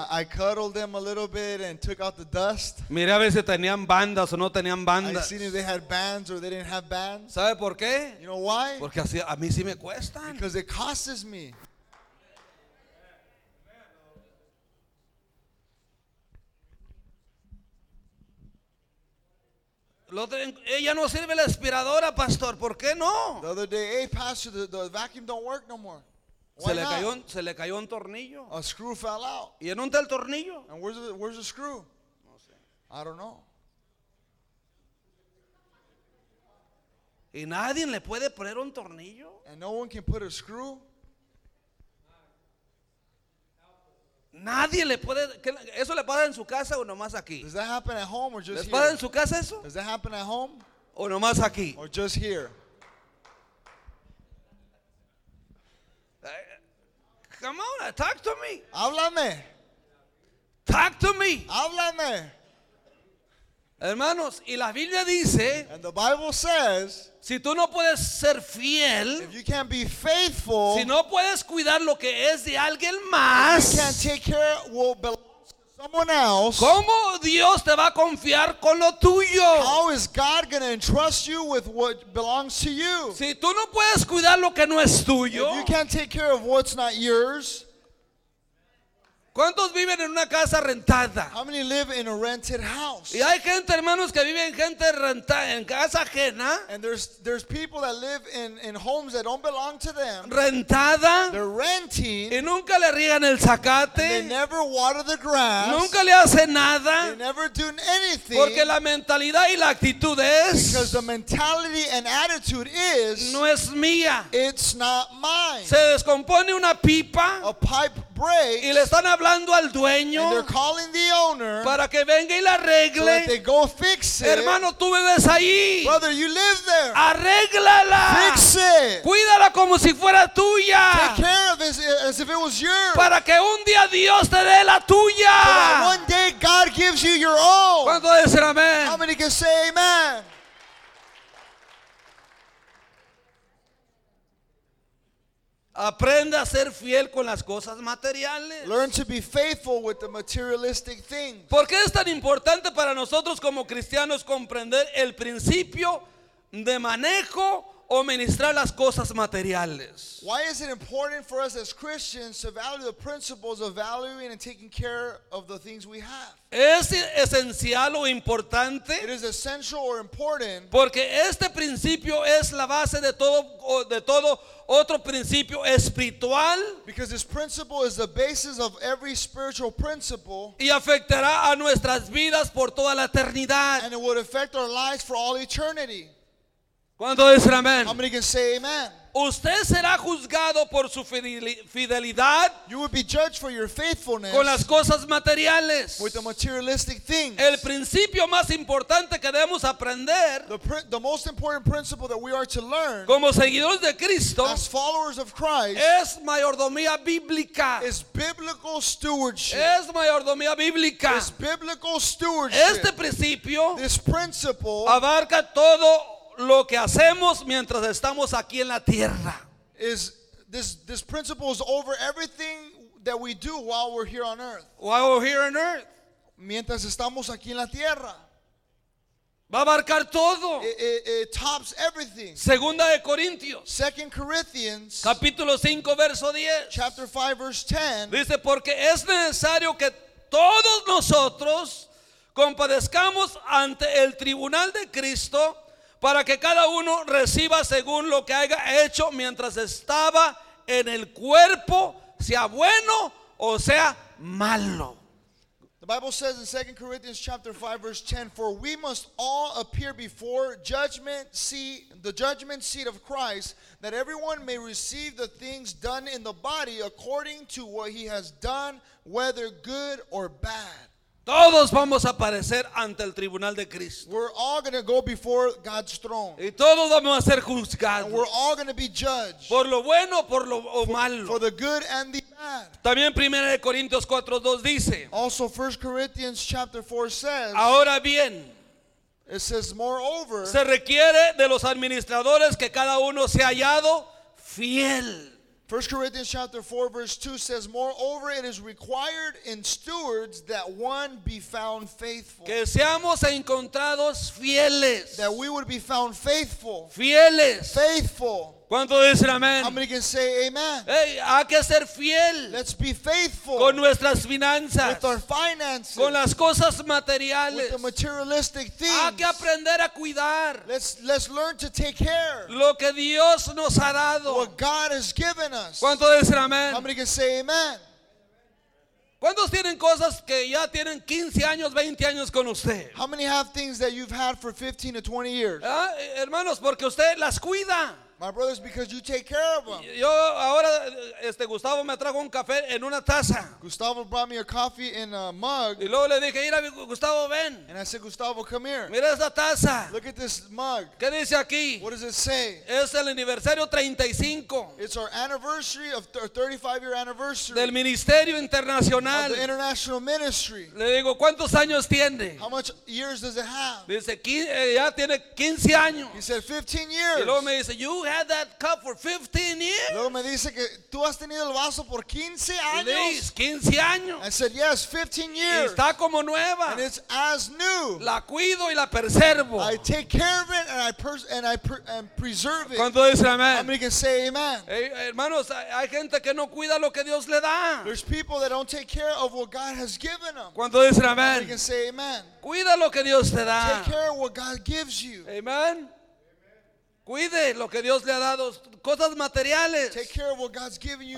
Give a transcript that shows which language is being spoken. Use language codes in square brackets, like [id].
[en] I cuddled them a little bit and took out the dust. [es] Miré a ver si tenían bandas o no tenían bandas. [en] I seen if they had bands or they didn't have bands. [es] ¿Sabe por qué? [en] You know why? [es] Porque así a mí sí me cuestan. [en] Because it costs me. [es] Ella no sirve la aspiradora, pastor. ¿Por qué no? [en] The other day, hey, pastor, the vacuum don't work no more. Why [es] se le cayó, not? Se le cayó un tornillo. [en] A screw fell out. [es] ¿Y en dónde está el tornillo? [en] And where's the screw? [es] No sé. [en] I don't know. [es] ¿Y nadie le puede poner un tornillo? [en] And no one can put a screw. [es] Nadie le puede. ¿Eso le pasa en su casa o nomás aquí? [en] Does that happen at home or just [es] ¿Les pasa [en] here? [es] En su casa eso? [en] Does that happen at home? [es] O nomás aquí. [en] Or just here. Come on, talk to me. [es] Háblame. [en] Talk to me. [es] Háblame. Hermanos, y la Biblia dice, [en] and the Bible says, [es] si tú no puedes ser fiel, [en] if you can't be faithful, [es] si no puedes cuidar lo que es de alguien más, [en] you can't take care of what belongs to someone else, [es] ¿cómo Dios te va a confiar con lo tuyo? [en] How is God going to entrust you with what belongs to you? [es] Si tú no puedes cuidar lo que no es tuyo, [en] if you can't take care of what's not yours, [es] ¿cuántos viven en una casa rentada? [en] How many live in a rented house? [es] Y hay gente, hermanos, que viven gente rentada en casa ajena. [en] And there's people that live in homes that don't belong to them. [es] Rentada. [en] They're renting. [es] Y nunca le riegan el zacate. [en] And they never water the grass. [es] Nunca le hacen nada. [en] They never do anything. [es] Porque la mentalidad y la actitud es, [en] because the mentality and attitude is, [es] no es mía. [en] It's not mine. [es] Se descompone una pipa. [en] A pipe breaks, [es] y le están hablando al dueño, [en] and they're calling the owner, [es] para que venga y la arregle, [en] so that they go fix it. [es] Hermano, tú vives ahí. [en] Brother, you live there. [es] Arréglala. [en] Fix it. [es] Cuídala como si fuera tuya. [en] Take care of it as if it was yours. [es] Para que un día Dios te dé la tuya. [en] So that one day God gives you your own. [es] ¿Cuánto dicen amén? [en] How many can say amen? [es] Aprende a ser fiel con las cosas materiales. [en] Learn to be faithful with the materialistic things. [es] ¿Por qué es tan importante para nosotros como cristianos comprender el principio de manejo o ministrar las cosas materiales? [en] Why is it important for us as Christians to value the principles of valuing and taking care of the things we have? [es] Es esencial o importante. [en] It is essential or important. [es] Porque este principio es la base de todo otro principio espiritual. [en] Because this principle is the basis of every spiritual principle. [es] Y afectará a nuestras vidas por toda la eternidad. [en] And it would affect our lives for all eternity. [es] ¿Cuánto dicen amén? [en] How many can say amen? [es] Usted será juzgado por su fidelidad. [en] You will be judged for your faithfulness. [es] Con las cosas materiales. [en] With the materialistic things. [es] El principio más importante que debemos aprender. [en] The most important principle that we are to learn. [es] Como seguidores de Cristo. [en] As followers of Christ. [es] Es mayordomía bíblica. [en] Is biblical stewardship. [es] Es mayordomía bíblica. [en] Is biblical stewardship. [es] Este principio. [en] This principle. [es] Abarca todo lo que hacemos mientras estamos aquí en la tierra. [en] Is this principle is over everything that we do while we're here on earth. While we're here on earth. [es] Mientras estamos aquí en la tierra. Va a abarcar todo. [en] It tops everything. [es] Segunda de Corintios. [en] Second Corinthians. [es] Capítulo 5, verso 10. [en] Chapter 5, verse 10. [es] Dice, porque es necesario que todos nosotros compadezcamos ante el tribunal de Cristo, para que cada uno reciba según lo que haya hecho mientras estaba en el cuerpo, sea bueno o sea malo. [en] The Bible says in 2 Corinthians chapter 5 verse 10, for we must all appear before the judgment seat of Christ, that everyone may receive the things done in the body according to what he has done, whether good or bad. [es] Todos vamos a aparecer ante el tribunal de Cristo. [en] We're all going to go before God's throne. [es] Y todos vamos a ser juzgados. [en] And we're all going to be judged. [es] Por lo bueno, por lo malo. [en] For the good and the bad. [es] También 1 Corintios 4:2 dice. [en] Also 1 Corinthians chapter 4 says. [es] Ahora bien. [en] It says moreover. [es] Se requiere de los administradores que cada uno sea hallado fiel. [en] 1 Corinthians chapter 4 verse 2 says, moreover, it is required in stewards that one be found faithful. [es] Que seamos encontrados fieles. [en] That we would be found faithful. [es] Fieles. [en] Faithful. [es] ¿Cuánto dicen amén? [en] How many can say amen? [es] Hey, hay que ser fiel. [en] Let's be faithful. [es] Con nuestras finanzas. [en] With our finances. [es] Con las cosas materiales. [en] With the materialistic things. [es] Hay que aprender a cuidar. [en] Let's learn to take care. [es] Lo que Dios nos ha dado. [en] What God has given us. [es] ¿Cuánto dicen amén? [en] How many can say amen? [es] ¿Cuántos tienen cosas que ya tienen 15 años, 20 años con usted? [en] How many have things that you've had for 15 to 20 years? [es] Hermanos, porque usted las cuida. [en] My brothers, because you take care of them. [es] Yo ahora, Gustavo me trajo un café en una taza. [en] Gustavo brought me a coffee in a mug. [es] Y luego le dije, mira, Gustavo, ven. [en] And I said, Gustavo, come here. [es] Mira esta taza. [en] Look at this mug. [es] ¿Qué dice aquí? [en] What does it say? [es] Es el aniversario 35. [en] It's our anniversary of our 35-year anniversary. [es] Del ministerio internacional. [en] Of the international ministry. [es] Le digo, ¿cuántos años tiene? [en] How much years does it have? [es] Dice, ya tiene 15 años. [en] He said, 15 years. [es] Y luego me dice, [en] you had that cup for 15 years? [es] Luego me dice que tú has tenido el vaso por 15 años. 15 años. [en] I said, yes, 15 years. [es] Está como nueva. [en] And it's as new. [es] La cuido y la preservo. [en] I take care of it and I preserve it. [es] ¿Cuánto dice amén? [en] How many can say amen? [es] Hey, hermanos, hay gente que no cuida lo que Dios le da. [en] There's people that don't take care of what God has given them. [es] ¿Cuánto dice amén? [en] How many can say amen? [es] Cuida lo que Dios te da. [en] Take care of what God gives you. [es] Amen. Cuide lo que Dios le ha dado, cosas materiales. [en] Take care of what God's given you.